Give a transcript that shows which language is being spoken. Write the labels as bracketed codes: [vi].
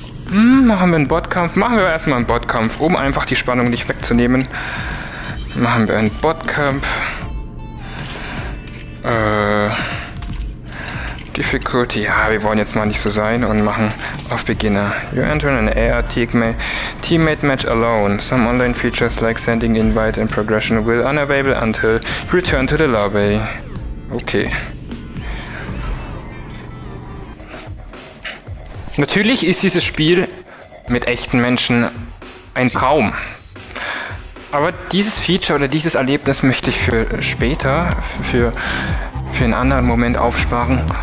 [de] Machen wir einen Botkampf? Machen wir erstmal einen Botkampf, um einfach die Spannung nicht wegzunehmen. Machen wir einen Botkampf. Difficulty, ja, wir wollen jetzt mal nicht so sein und machen auf Beginner. [en] You enter an AR teammate match alone. Some online features like sending invite and progression will unavailable until you return to the lobby. Okay. [de] Natürlich ist dieses Spiel mit echten Menschen ein Traum. Aber dieses Feature oder dieses Erlebnis möchte ich für später, für einen anderen Moment aufsparen.